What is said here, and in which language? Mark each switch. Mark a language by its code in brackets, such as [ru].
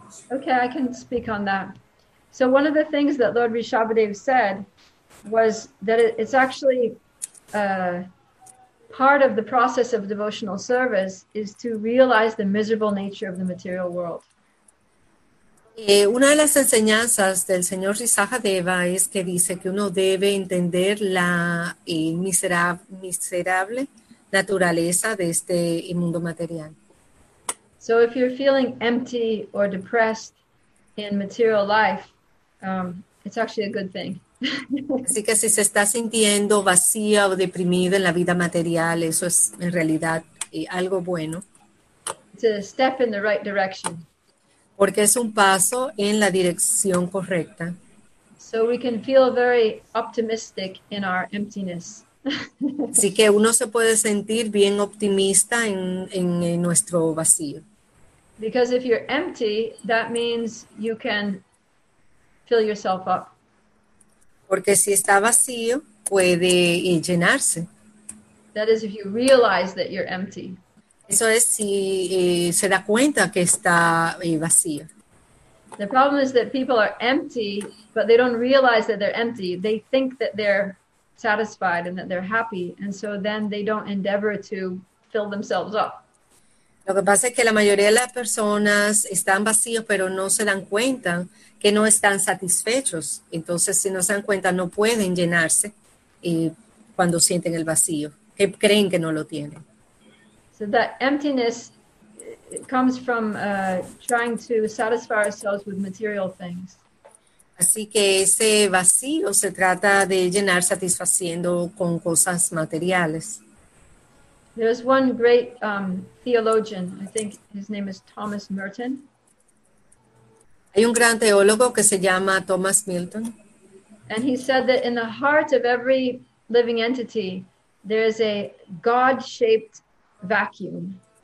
[en] Okay, I can speak on that. So one of the things that Lord Rishabhadev said was that it's actually part of the process of devotional service is to realize the miserable nature of the material world. [es] Una de las enseñanzas del señor Risajadeva es que dice que uno debe entender la miserable naturaleza de este mundo material. [en] So if you're feeling empty or depressed in material life, it's actually a good thing. [es] Así que si se está sintiendo vacío o deprimido en la vida material, eso es en realidad algo bueno. [en] To step in the right direction. [es] Porque es un paso en la dirección correcta. [en] So we can feel very optimistic in our emptiness. [es] Así que uno se puede sentir bien optimista en nuestro vacío. [en] Because if you're empty, that means you can fill yourself up. [es] Porque si está vacío, puede llenarse. [en] That is, if you realize that you're empty. [es] Eso es si se da cuenta que está vacío. [en] The problem is that people are empty, but they don't realize that they're empty. They think that they're satisfied and that they're happy, and so then they don't endeavor to fill themselves up. [es] Lo que pasa es que la mayoría de las personas están vacíos, pero no se dan cuenta que no están satisfechos. Entonces, si no se dan cuenta, no pueden llenarse cuando sienten el vacío, que creen que no lo tienen. [en] So that emptiness comes from trying to satisfy ourselves with material things. [es] Así que ese vacío se trata de llenar satisfaciendo con cosas materiales. [en] There's one great theologian, I think his name is Thomas Merton. [es] Hay un gran teólogo que se llama Thomas Milton. [en] And he said that in the heart of every living entity, there is a God-shaped vacuum.